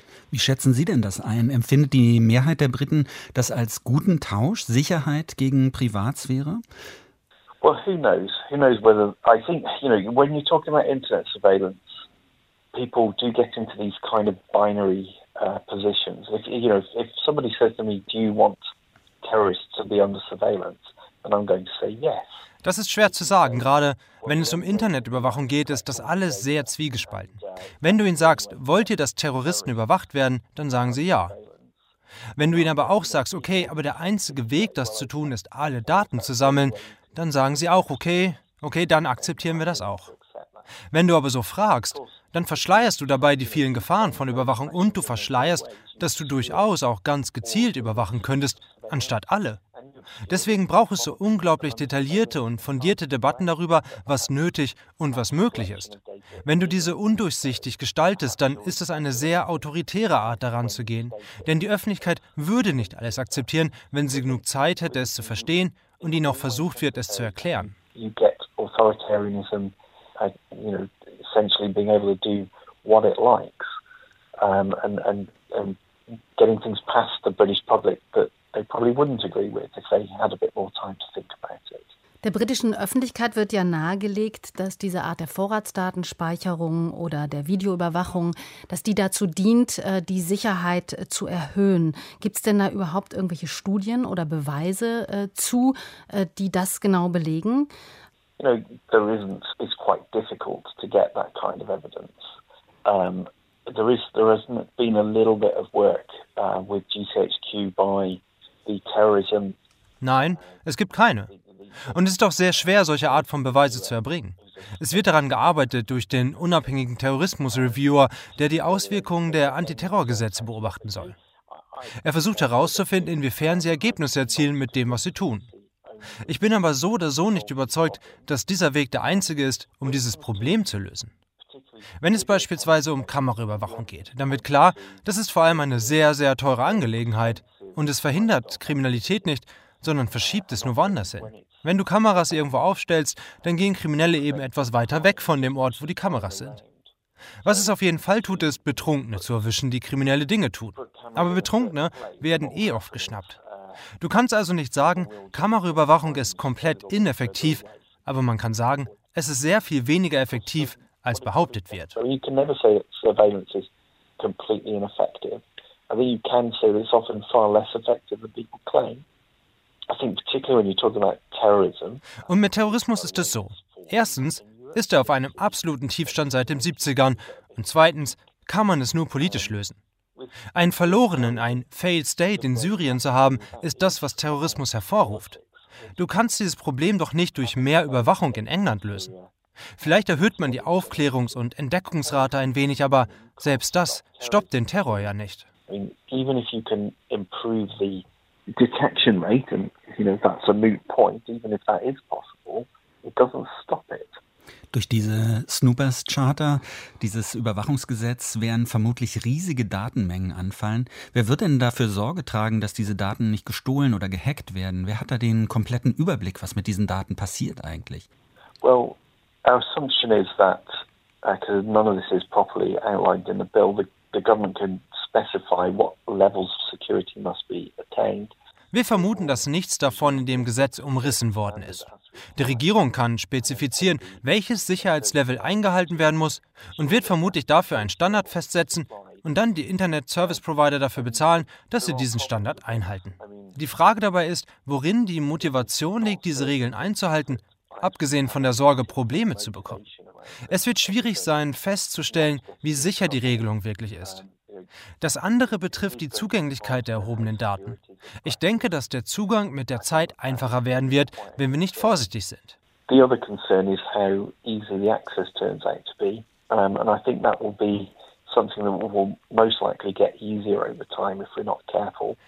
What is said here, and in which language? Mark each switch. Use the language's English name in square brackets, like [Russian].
[German] Wie schätzen Sie denn das ein? Empfindet die Mehrheit der Briten das als guten Tausch, Sicherheit gegen Privatsphäre? [English] Well, who knows? Who knows whether, I think, you know, when you're talking about internet surveillance, people do get into these kind of binary positions. If, you know, if somebody says to me, do you want terrorists to be under surveillance? And I'm going to say yes. [German] Das ist schwer zu sagen, gerade wenn es um Internetüberwachung geht, ist das alles sehr zwiegespalten. Wenn du ihnen sagst, wollt ihr, dass Terroristen überwacht werden, dann sagen sie ja. Wenn du ihnen aber auch sagst, okay, aber der einzige Weg, das zu tun, ist, alle Daten zu sammeln, dann sagen sie auch, okay, dann akzeptieren wir das auch. Wenn du aber so fragst, dann verschleierst du dabei die vielen Gefahren von Überwachung und du verschleierst, dass du durchaus auch ganz gezielt überwachen könntest, anstatt alle. Deswegen braucht es so unglaublich detaillierte und fundierte Debatten darüber, was nötig und was möglich ist. Wenn du diese undurchsichtig gestaltest, dann ist es eine sehr autoritäre Art, daran zu gehen. Denn die Öffentlichkeit würde nicht alles akzeptieren, wenn sie genug Zeit hätte, es zu verstehen und ihnen auch versucht wird, es zu erklären. [English] You get authoritarianism, you know, essentially being able to do what it likes, and getting things past the British public that they probably wouldn't agree with if they had a bit more time to think about it. [German] Der britischen Öffentlichkeit wird ja nahegelegt, dass diese Art der Vorratsdatenspeicherung oder der Videoüberwachung, dass die dazu dient, die Sicherheit zu erhöhen. Gibt es denn da überhaupt irgendwelche Studien oder Beweise zu, die das genau belegen? [English] You know, there isn't. It's quite difficult to get that kind of evidence. There has been a little bit of work with GCHQ by the terrorism. [German] Nein, es gibt keine. Und es ist auch sehr schwer, solche Art von Beweise zu erbringen. Es wird daran gearbeitet durch den unabhängigen Terrorismus-Reviewer, der die Auswirkungen der Antiterrorgesetze beobachten soll. Er versucht herauszufinden, inwiefern sie Ergebnisse erzielen mit dem, was sie tun. Ich bin aber so oder so nicht überzeugt, dass dieser Weg der einzige ist, um dieses Problem zu lösen. Wenn es beispielsweise um Kameraüberwachung geht, dann wird klar, das ist vor allem eine sehr, sehr teure Angelegenheit und es verhindert Kriminalität nicht, sondern verschiebt es nur woanders hin. Wenn du Kameras irgendwo aufstellst, dann gehen Kriminelle eben etwas weiter weg von dem Ort, wo die Kameras sind. Was es auf jeden Fall tut, ist, Betrunkene zu erwischen, die kriminelle Dinge tun. Aber Betrunkene werden eh oft geschnappt. Du kannst also nicht sagen, Kameraüberwachung ist komplett ineffektiv, aber man kann sagen, es ist sehr viel weniger effektiv, als behauptet wird. [English] You can never say that surveillance is completely ineffective. I think you can say that it's often far less effective than people claim. [German] Und mit Terrorismus ist es so. Erstens ist er auf einem absoluten Tiefstand seit den 70ern und zweitens kann man es nur politisch lösen. Einen verlorenen, ein Failed State in Syrien zu haben, ist das, was Terrorismus hervorruft. Du kannst dieses Problem doch nicht durch mehr Überwachung in England lösen. Vielleicht erhöht man die Aufklärungs- und Entdeckungsrate ein wenig, aber selbst das stoppt den Terror ja nicht. [English] Even if you can improve the detection rate, and you know that's a moot point, even if that is possible, it doesn't stop it. [German] Durch diese Snoopers Charter, dieses Überwachungsgesetz, werden vermutlich riesige Datenmengen anfallen. Wer wird denn dafür Sorge tragen, dass diese Daten nicht gestohlen oder gehackt werden? Wer hat da den kompletten Überblick, was mit diesen Daten passiert eigentlich? [English] Well, Our assumption is that, because none of this is properly outlined in the bill, the government can specify what levels of security must be attained. [German] Wir vermuten, dass nichts davon in dem Gesetz umrissen worden ist. Die Regierung kann spezifizieren, welches Sicherheitslevel eingehalten werden muss und wird vermutlich dafür einen Standard festsetzen und dann die Internet-Service-Provider dafür bezahlen, dass sie diesen Standard einhalten. Die Frage dabei ist, worin die Motivation liegt, diese Regeln einzuhalten, abgesehen von der Sorge, Probleme zu bekommen. Es wird schwierig sein, festzustellen, wie sicher die Regelung wirklich ist. Das andere betrifft die Zugänglichkeit der erhobenen Daten. Ich denke, dass der Zugang mit der Zeit einfacher werden wird, wenn wir nicht vorsichtig sind. [English] The other concern is how easy the access turns out to be. And I think that will be something that will most likely get easier over time if we're not careful.